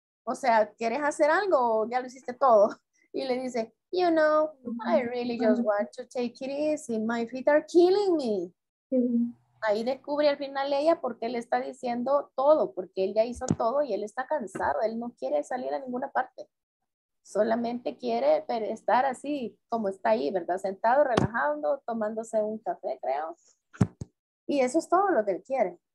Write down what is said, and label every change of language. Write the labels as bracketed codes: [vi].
[es] O sea, ¿quieres hacer algo o ya lo hiciste todo? Y le dice, [en] you know, I really just want to take it easy. My feet are killing me. [es] Ahí descubre al final ella porque le está diciendo todo, porque él ya hizo todo y él está cansado. Él no quiere salir a ninguna parte. Solamente quiere estar así como está ahí, ¿verdad? Sentado, relajando, tomándose un café, creo. Y eso es todo lo que él quiere.